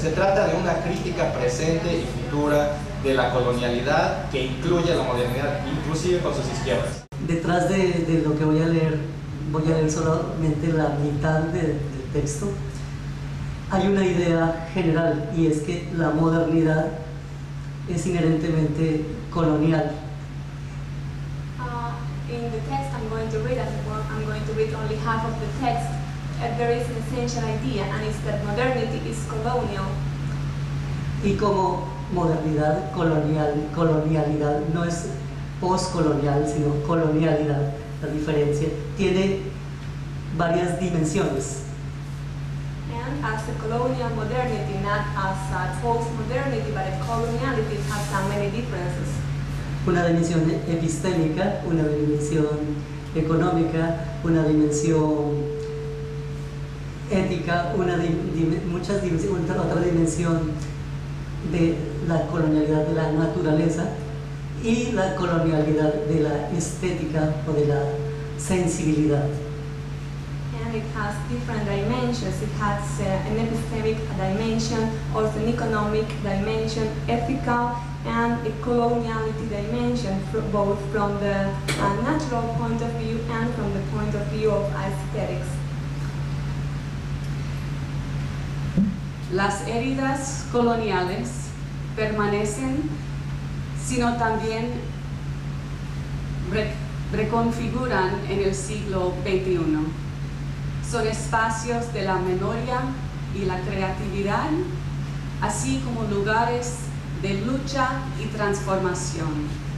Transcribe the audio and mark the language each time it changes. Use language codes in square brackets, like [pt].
[es] Se trata de una crítica presente y futura de la colonialidad que incluye la modernidad, inclusive con sus izquierdas. Detrás de lo que voy a leer solamente la mitad del texto, hay una idea general, y es que la modernidad es inherentemente colonial. [en] In the text I'm going to read, I'm going to read only half of the text, there is an essential idea, and it's that modernity is colonial. [es] Y como modernidad colonial, colonialidad no es postcolonial, sino colonialidad, la diferencia, tiene varias dimensiones. [en] And as a colonial modernity, not as a postmodernity, but a coloniality, has so many differences. [es] Una dimensión epistémica, una dimensión económica, una dimensión ética, otra dimensión de la colonialidad de la naturaleza y la colonialidad de la estética o de la sensibilidad. [en] And it has different dimensions. It has an epistemic dimension, also an economic dimension, ethical and a coloniality dimension, both from the natural point of view and from the point of view of aesthetics. [es] Las heridas coloniales permanecen, sino también reconfiguran en el siglo XXI. Son espacios de la memoria y la creatividad, así como lugares de lucha y transformación.